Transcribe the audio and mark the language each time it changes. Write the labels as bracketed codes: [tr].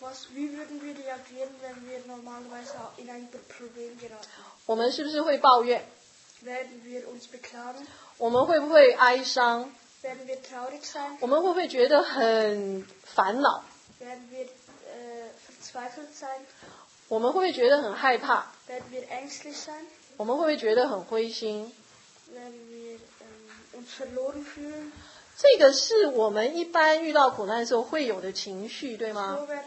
[de] Wie würden wir reagieren, wenn wir normalerweise in ein Problem geraten? [zh] 我们是不是会抱怨？ [de] Werden wir uns beklagen? [zh] 我们会不会哀伤？ [de] Werden wir traurig sein? [zh] 我们会不会觉得很烦恼？ [de] Werden wir verzweifelt sein? [zh] 我们会不会觉得很害怕？ [de] Werden wir ängstlich sein? [zh] 我们会不会觉得很灰心？ [de] Werden wir uns verloren fühlen? [zh] 这个是我们一般遇到苦难的时候会有的情绪，对吗？